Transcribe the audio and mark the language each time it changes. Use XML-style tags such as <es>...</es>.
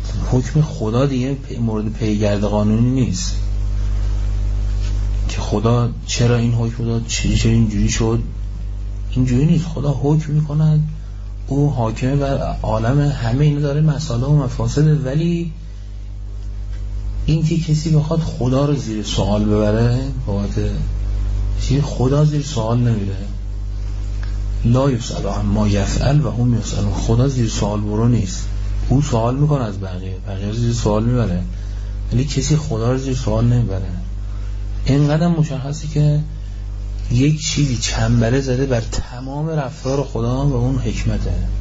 <fa>حکم خدا دیگه مورد پیگرد قانونی نیست که خدا چرا این حکم داد، چه اینجوری شد، اینجوری نیست. خدا حکم میکند، او حاکمه بر عالم، همه اینو داره، مساله و مفاسد. ولی این که کسی بخواد خدا رو زیر سوال ببره، باعث چی؟ خدا زیر سوال نمیره.</fa> <ar>لا یسأل عما یفعل و هم یسألون.</ar> <fa>خدا زیر سوال برو نیست، او سوال میکنه از بقیه، بقیه زیر سوال میبره، ولی کسی خدا رو زیر سوال نمیبره. اینقدر مشخصه که یک چیزی چنبره زده بر تمام رفتار خدا و اون حکمته.</fa>